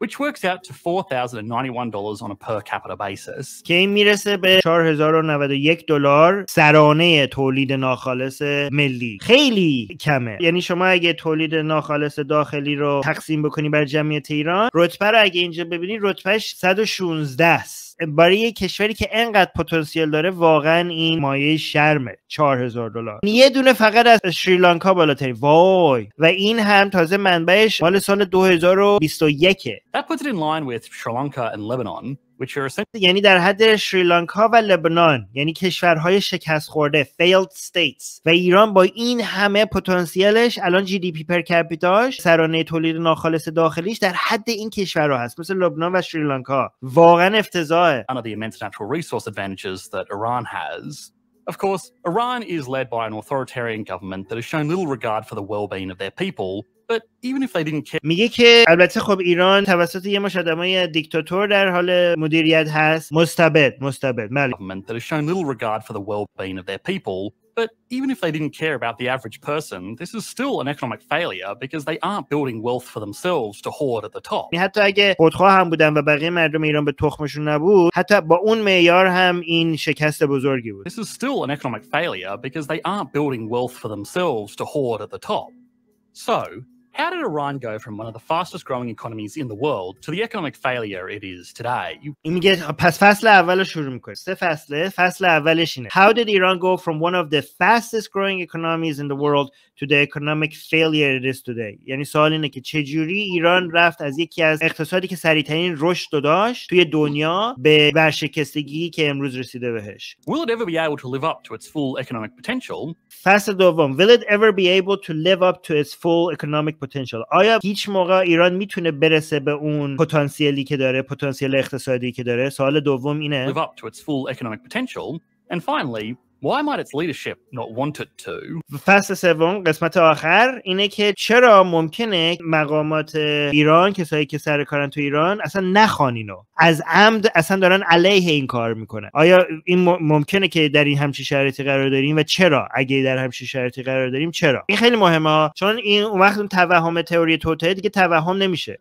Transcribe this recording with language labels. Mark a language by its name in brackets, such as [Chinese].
[English] which works out to $4,091 on a per capita basis. [Persian] که این میرسه به 4091 دلار سرانه تولید ناخالص ملی. خیلی کمه، یعنی شما اگه تولید ناخالص داخلی رو تقسیم بکنی بر جمعیت ایران، رتبه رو اگه اینجا ببینید رتبهش 116 است. برای یک کشوری که انقدر پتانسیل داره واقعا این مایه شرمه. 4000 دلار، یه دونه فقط از شریلانکا بالاتری. وای، و این هم تازه منبعش مال سال 2021ه. [English] That puts it in line with Sri Lanka and Lebanon. [Persian] یعنی در حد شریلانکا و لبنان، یعنی کشورهای شکست خورده، [English] failed states. [Persian] و ایران با این همه پتانسیلش الان جی دی پی پر کپیتاش، سرانه تولید ناخالص داخلیش در حد این کشورها هست، مثل لبنان و شریلانکا. واقعا افتضاحه. [English] One of the immense natural resource advantages that Iran has. Of course, Iran is led by an authoritarian government that has shown little regard for the well-being of their people. But even if they didn't care. [Persian] میگه که البته خب ایران توسط یه مش آدمای دیکتاتور در حال مدیریت هست، مستبد [English] government that has shown little regard for the well-being of their people. But even if they didn't care about the average person, this is still an economic failure because they aren't building wealth for themselves to hoard at the top. [Persian] حتی اگه خودخواه هم بودن و بقیه مردم ایران به تخمشون نبود، حتی با اون معیار هم این شکست بزرگی بود. [English] This is still an economic failure because they aren't building wealth for themselves to hoard at the top. So, how did Iran go from one of the fastest growing economies in the world to the economic failure it is today? [Persian] پس فصل اولو شروع میکنه. سه فصله. فصل اولش اینه. [English] How did Iran go from one of the fastest growing economies in the world to the economic failure it is today? [Persian] یعنی سوال اینه که چجوری ایران رفت از یکی از اقتصادی که سریع‌ترین رشد داشت توی دنیا به ورشکستگی که امروز رسیده بهش. [English] Will it ever be able to live up to its full economic potential? [Persian] فصل دوم. [English] Will it ever be able to live up to its full economic potential. [Persian] آیا هیچ موقع ایران میتونه برسه به اون پتانسیلی که داره، پتانسیل اقتصادی که داره؟ سوال دوم اینه. [English] Live up to its full economic potential. And finally, why might its leadership not want it to? [Persian] فصل سوم، قسمت آخر اینه که چرا ممکنه مقامات ایران، کسایی که سر کارن تو ایران، اصلا نخوان اینو. از عمد اصلا دارن علیه این کار میکنن. آیا این ممکنه که در این همچین شرایطی قرار داریم و چرا؟ اگه در همچین شرایطی قرار داریم چرا؟ این خیلی مهمه، چون این اون وقت توهم تئوری توته دیگه توهم نمیشه.